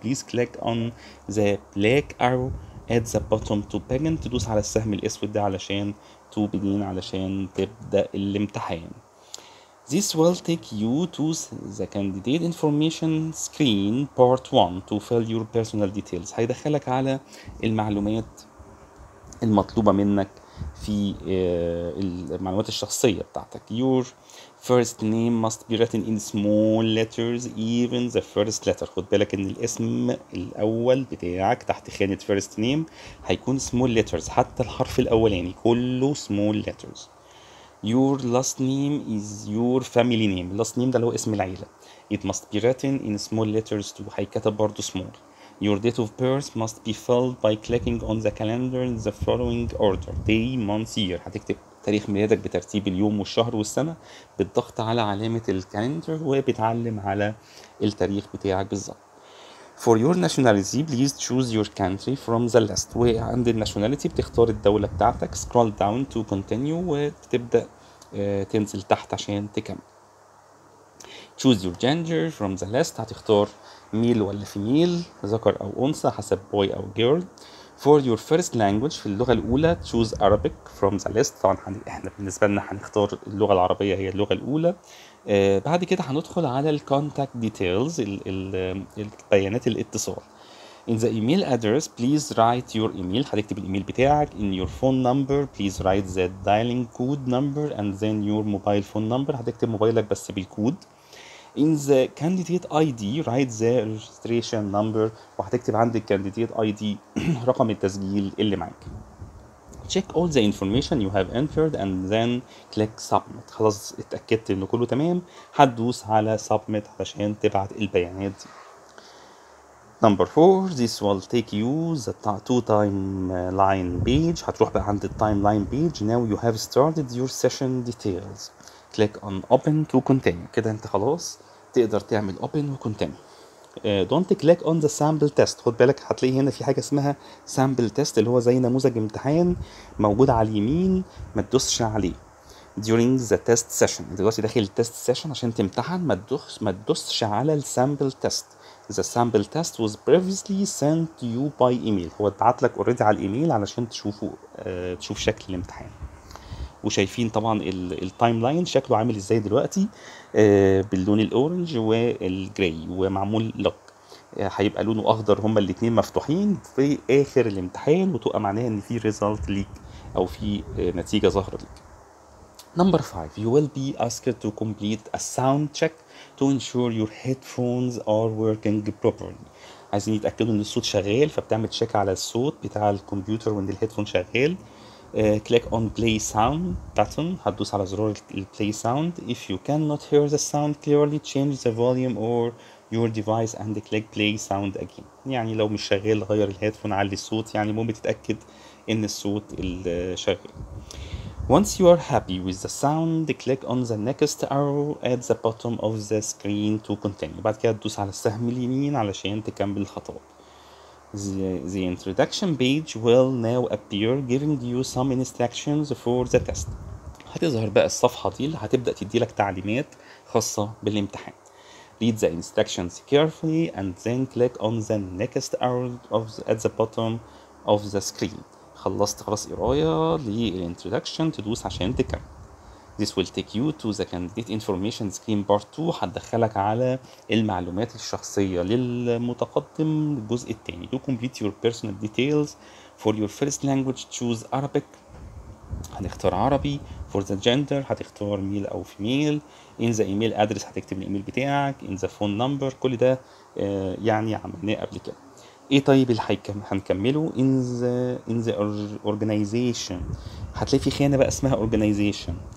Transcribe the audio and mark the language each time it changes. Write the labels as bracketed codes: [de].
[en] Please click on the black arrow at the bottom to begin. [ar] تدوس على السهم الاسود ده علشان تبدين علشان تبدأ الامتحان. [en] This will take you to the candidate information screen part 1 to fill your personal details. [ar] هيدخلك على المعلومات المطلوبة منك في المعلومات الشخصية بتاعتك. [en] Your first name must be written in small letters even the first letter. [ar] خد بالك ان الاسم الاول بتاعك تحت خانة first name هيكون small letters حتى الحرف الاول يعني كله small letters. [en] Your last name is your family name. Last name [ar] ده اللي هو اسم العيلة. [en] It must be written in small letters too. [ar] هيكتب برضو [en] small. Your date of birth must be filled by clicking on the calendar in the following order. Day, month, year. [ar] هتكتب تاريخ ميلادك بترتيب اليوم والشهر والسنة بالضغط على علامة الكالندر وبتعلم على التاريخ بتاعك بالظبط. [en] For your nationality, please choose your country from the list. [ar] وعند الناشوناليتي بتختار الدولة بتاعتك. [en] Scroll down to continue [ar] وتبدأ تنزل تحت عشان تكمل. [en] Choose your gender from the list. [ar] هتختار ميل ولا فيميل، ذكر أو أنثى حسب boy أو girl. [en] For your first language [ar] في اللغة الأولى [en] choose Arabic from the list. [ar] طبعا احنا بالنسبة لنا هنختار اللغة العربية هي اللغة الأولى. بعد كده هندخل على ال contact details البيانات الاتصال. [en] In the email address please write your email. [ar] هتكتب الايميل بتاعك. [en] In your phone number please write the dialing code number and then your mobile phone number. [ar] هتكتب موبايلك بس بالكود. [en] In the candidate ID write the registration number. [ar] وهتكتب عند candidate ID رقم التسجيل اللي معاك. [en] Check all the information you have entered and then click submit. [ar] خلاص اتأكدت انه كله تمام. هتدوس على submit علشان تبعت البيانات دي. [en] Number 4, this will take you the two timeline page. [ar] هتروح بقى عند [en] timeline page. Now you have started your session details. Click on open to continue. [ar] كده انت خلاص تقدر تعمل open و continue. [en] Don't click on the sample test. [ar] خد بالك هتلاقي هنا في حاجة اسمها sample test اللي هو زي نموذج امتحان موجود على اليمين ما تدوسش عليه. [en] During the test session. [ar] انت دلوقتي داخل test session عشان تمتحن ما تدوسش على sample test. [en] The sample test was previously sent to you by email. [ar] هو اتبعت لك already على الايميل علشان تشوف شكل الامتحان. وشايفين طبعا التايم لاين شكله عامل ازاي دلوقتي باللون الاورنج والجراي ومعمول لوك. هيبقى لونه اخضر هما الاثنين مفتوحين في اخر الامتحان وتبقى معناها ان في ريزلت ليك او في نتيجه ظهرت ليك. [en] Number 5, you will be asked to complete a sound check to ensure your headphones are working properly. [ar] عايزين يتاكدوا ان الصوت شغال فبتعمل تشيك على الصوت بتاع الكمبيوتر وان الهيدفون شغال. [en] Click on play sound button. [ar] هتدوس على زرار [en] play sound. If you cannot hear the sound clearly change the volume or your device and click play sound again. [ar] يعني لو مش شغال غير الهيدفون علي الصوت يعني المهم تتأكد ان الصوت شغال. [en] Once you are happy with the sound, click on the next arrow at the bottom of the screen to continue. [ar] بعد كده تدوس على السهم اليمين علشان تكمل الخطوات. [en] The introduction page will now appear giving you some instructions for the test. [ar] هتظهر بقى الصفحة دي اللي هتبدأ تدي لك تعليمات خاصة بالامتحان. [en] Read the instructions carefully and then click on the next arrow at the bottom of the screen. [ar] خلصت خلاص قراية للانترودكشن تدوس عشان تكمل. [en] This will take you to the candidate information screen part 2. [ar] هتدخلك على المعلومات الشخصية للمتقدم الجزء الثاني. [en] To complete your personal details for your first language choose Arabic. [ar] هنختار عربي. [en] For the gender [ar] هتختار ميل او فيميل. [en] In the email address [ar] هتكتب الايميل بتاعك. [en] In the phone number [ar] كل ده يعني عملناه قبل كده. ايه طيب اللي هنكمله؟ [en] in the organization [ar] هتلاقي في خانة بقى اسمها organization.